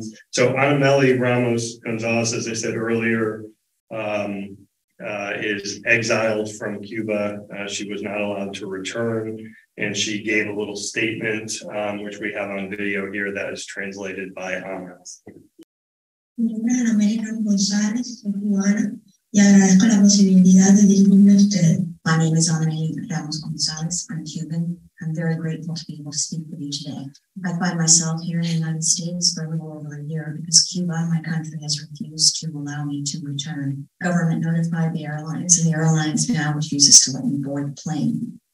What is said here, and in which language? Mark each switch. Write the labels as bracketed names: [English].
[English] So Anamely Ramos González, as I said earlier, is exiled from Cuba. She was not allowed to return. And she gave a little statement, which we have on video here, that is translated by Anna. [Spanish] Mi nombre es Anamely Ramos González, soy cubana, y agradezco la posibilidad de dirigirme a usted. [English] My name is Anamely Ramos González, I'm Cuban. I'm very grateful to be able to speak with you today. I find myself here in the United States for a little over a year because Cuba, my country, has refused to allow me to return. Government notified the airlines, and the airlines now refuses to let me board the plane.